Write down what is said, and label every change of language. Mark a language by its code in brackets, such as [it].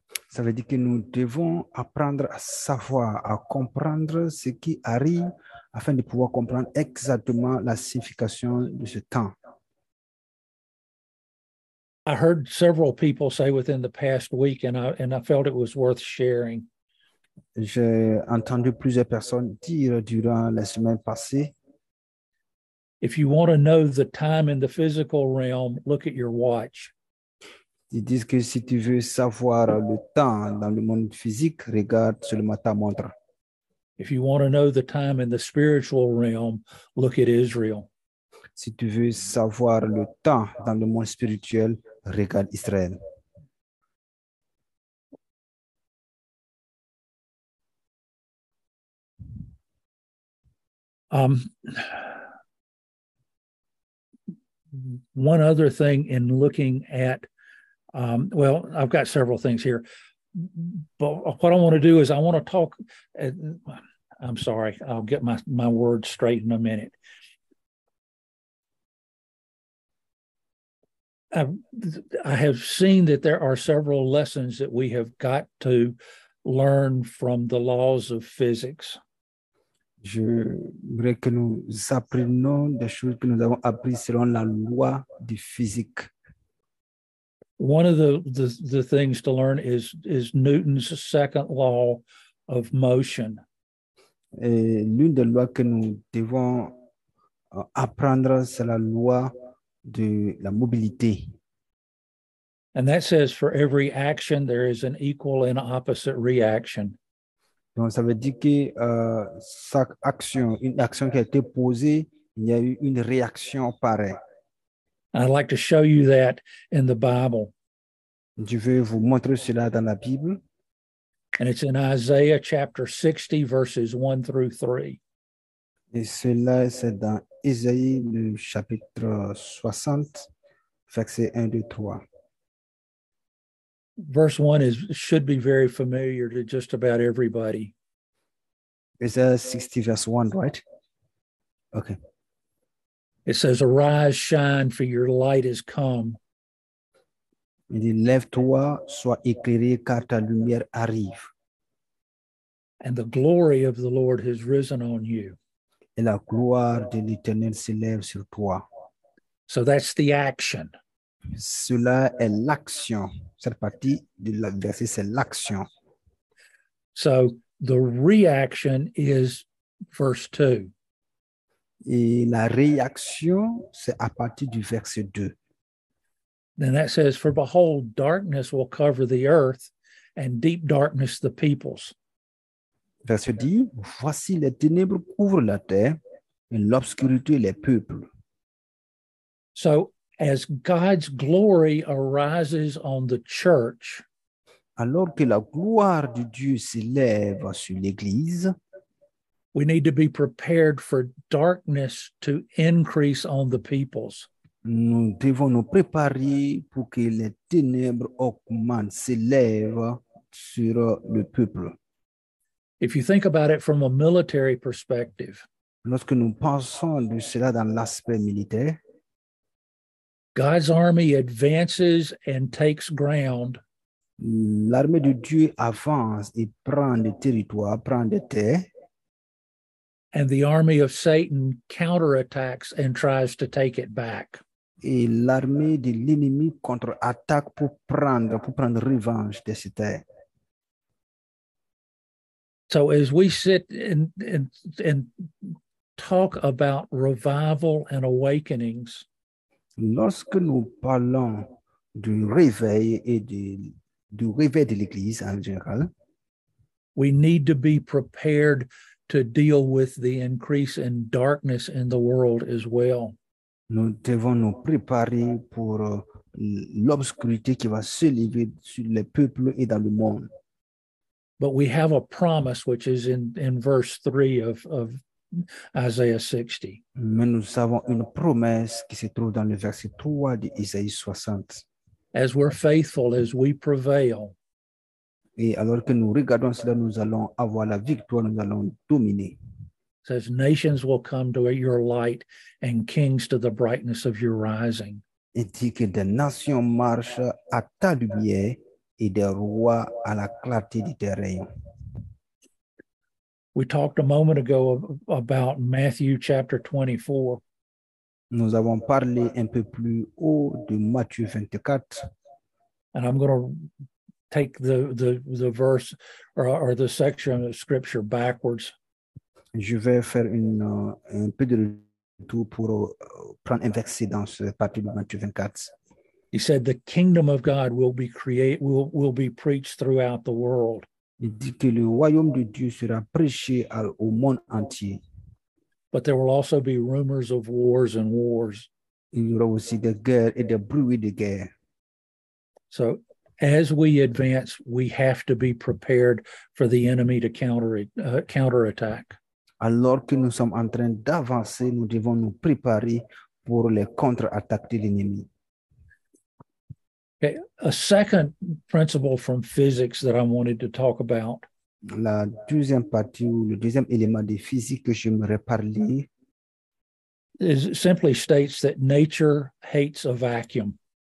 [fr] Ça veut dire que nous devons apprendre à savoir, à comprendre ce qui arrive afin de pouvoir comprendre exactement la signification de ce temps. [en] I heard several people say within the past week, and I felt it was worth sharing. [fr] J'ai entendu plusieurs personnes dire durant la semaine passée. [en] If you want to know the time in the physical realm, look at your watch. [fr] Ils disent que si tu veux savoir le temps dans le monde physique, regarde seulement ta montre. [en] If you want to know the time in the spiritual realm, look at Israel. [fr] Si tu veux savoir le temps dans le monde spirituel, regarde Israël. [en] One other thing in looking at well, I've got several things here, but what I want to do is I want to talk. I'm sorry, I'll get my words straight in a minute. I have seen that there are several lessons that we have got to learn from the laws of physics. [fr] Je voudrais que nous apprenions des choses que nous avons apprises selon la loi de physique. [en] One of the things to learn is Newton's second law of motion. [fr] Et l'une des lois que nous devons apprendre, c'est la loi de la mobilité. [en] And that says for every action, there is an equal and opposite reaction. [fr] Donc ça veut dire que chaque action, une action qui a été posée, Il y a eu une réaction pareille. [en] I'd like to show you that in the Bible. [fr] Je veux vous montrer cela dans la Bible. [en] And it's in Isaiah chapter 60, verses 1 through 3. [fr] Et cela, c'est dans Isaïe, le chapitre 60, verset 1, 2, 3. [en] Verse 1 is, should be very familiar to just about everybody. Isaiah 60, verse 1, right? Okay. It says, arise, shine, for your light has come. [fr] Il dit, lève-toi, sois éclairé, car ta lumière arrive. [en] And the glory of the Lord has risen on you. [fr] Et la gloire de l'Éternel s'élève sur toi. [en] So that's the action. [fr] Cela est l'action. Cette partie du verset, c'est l'action. [en] So the reaction is verse 2. [fr] Et la réaction, c'est à partir du verset 2. [en] Then that says, for behold, darkness will cover the earth, and deep darkness the peoples. [fr] Verset 10, voici les ténèbres couvrent la terre, et l'obscurité les peuples. [en] So, as God's glory arises on the church, [fr] alors que la gloire de Dieu s'élève sur l'Église, [en] we need to be prepared for darkness to increase on the peoples. [fr] Nous devons nous préparer pour que les ténèbres augmentent, s'élèvent sur le peuple. [en] If you think about it from a military perspective, [fr] lorsque nous pensons de cela dans l'aspect militaire, [en] God's army advances and takes ground. [fr] L'armée de Dieu avance et prend des territoires, prend des terres. [en] And the army of Satan counterattacks and tries to take it back. [fr] Et l'armée de l'ennemi contre-attaque pour prendre revanche de ces terres. [en] So as we sit and talk about revival and awakenings, [fr] lorsque nous parlons du réveil et du réveil de l'Église en général, [en] we need to be prepared to deal with the increase in darkness in the world as well. [fr] Nous devons nous préparer pour l'obscurité qui va se lever sur les peuples et dans le monde. [en] But we have a promise, which is in verse 3 of Isaiah 60. [fr] Mais nous avons une promesse qui se trouve dans le verset 3 de Isaïe 60. [en] As we're faithful, as we prevail. [fr] Et alors que nous regardons cela, nous allons avoir la victoire, nous allons dominer. [en] Says nations will come to your light and kings to the brightness of your rising. [fr] Il dit que des nations marchent à ta lumière. Et des rois à la clarté du terrain. [en] We talked a moment ago about Matthew chapter 24. [fr] Nous avons parlé un peu plus haut de Matthieu 24. [en] And I'm going to take the verse or the section of scripture backwards. [fr] Je vais faire un peu de retour pour prendre un verset dans ce partie de Matthieu 24. [en] He said, "The kingdom of God will be preached throughout the world." [fr] Il dit que le royaume de Dieu sera prêché au monde entier. [en] But there will also be rumors of wars and wars. [fr] Il y aura aussi des guerres et des bruits de guerre. [en] So, as we advance, we have to be prepared for the enemy to counterattack. [fr] Alors que nous sommes en train d'avancer, nous devons nous préparer pour les contre-attaques de l'ennemi. [en] Okay, a second principle from physics that I wanted to talk about. [fr] La deuxième partie ou le deuxième élément de physique que j'aimerais parler [en] is simply states that nature hates a vacuum.